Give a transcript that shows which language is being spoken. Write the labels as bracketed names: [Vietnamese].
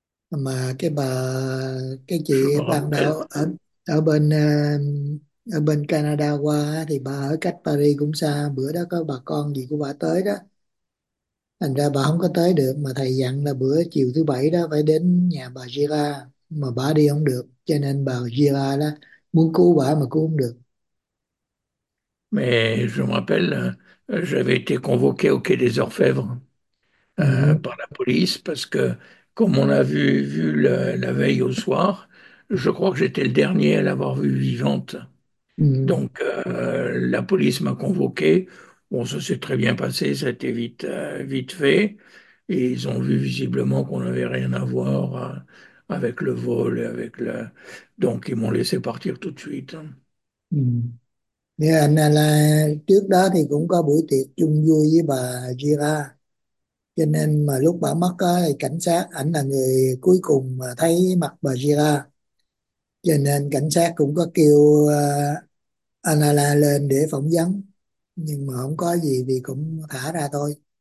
[Vietnamese] Mà cái bà cái chị ban đầu ở ở bên Canada qua thì bà ở cách Paris cũng xa, bữa đó có bà con gì của bà tới đó, thành ra bà không có tới được. Mà thầy dặn là bữa chiều thứ bảy đó phải đến nhà bà Gira, mà bà đi không được, cho nên bà Gira đó muốn cứu bà mà cứu không được. [French] Mais je me rappelle, j'avais été convoqué au Quai des Orfèvres par la police parce que, comme on a vu la veille au soir, je crois que j'étais le dernier à l'avoir vue vivante. Donc, la police m'a convoqué. Bon, ça s'est très bien passé, ça a été vite, vite fait. Et ils ont vu visiblement qu'on n'avait rien à voir avec le vol et avec le. Donc, ils m'ont laissé partir tout de suite. Hein. [Vietnamese] Là trước đó thì cũng có buổi tiệc chung vui với bà Gira, cho nên mà lúc bà mất đó, thì cảnh sát, ảnh là người cuối cùng mà thấy mặt bà Gira, cho nên cảnh sát cũng có kêu Anala lên để phỏng vấn, nhưng mà không có gì thì cũng thả ra thôi.